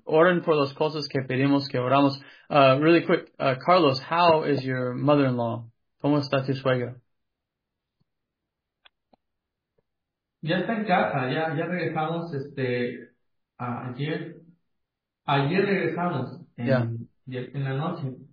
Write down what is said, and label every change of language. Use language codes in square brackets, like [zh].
[es] Oren por las cosas que pedimos que oramos. [en] Really quick, Carlos, how is your mother-in-law? [es] ¿Cómo está tu suegra? Ya está en casa, ya regresamos ayer regresamos en la noche.